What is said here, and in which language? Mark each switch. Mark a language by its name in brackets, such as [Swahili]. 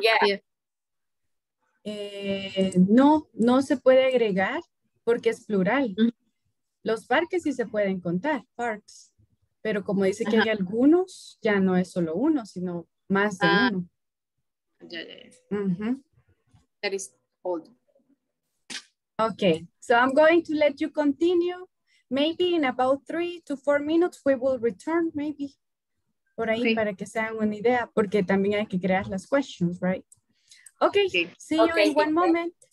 [English] Yeah. Yeah. [Spanish] No, no se puede agregar porque es plural. Los parques sí se pueden contar, parks. Pero como dice que ajá, hay algunos, ya no es solo uno, sino más de uno. Ya, ya, ya. [English] That is old. Okay, so I'm going to let you continue. Maybe in about 3 to 4 minutes we will return, maybe. [Spanish] Por ahí, okay, para que se hagan una idea, porque también hay que crear las questions, right? [English] Okay, okay, see you, okay, in one moment.